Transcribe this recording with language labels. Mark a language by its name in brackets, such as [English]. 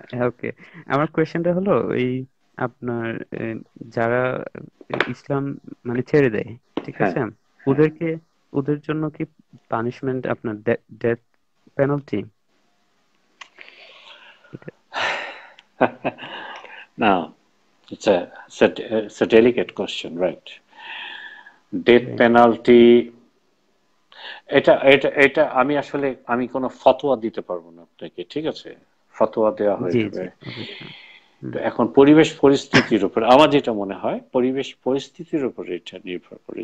[Bangla] ওকে, আমার কোয়েশ্চেনটা হলো, এই আপনার যারা ইসলাম মানে ছেড়ে দেয়, ঠিক আছে, ওদেরকে, ওদের জন্য কি পানিশমেন্ট, আপনার death penalty? [English] Now, it's a delicate question, right? [Bangla] Death penalty, এটা এটা এটা আমি আসলে আমি কোনো ফতোয়া দিতে পারবো না আপনাকে, ঠিক আছে? ফতোয়া দেওয়া হয়ে জি যাবে জি অবশ্যই। তো এখন পরিবেশ পরিস্থিতির উপর, আমার যেটা মনে হয় পরিবেশ পরিস্থিতির উপর এটা নির্ভর করে।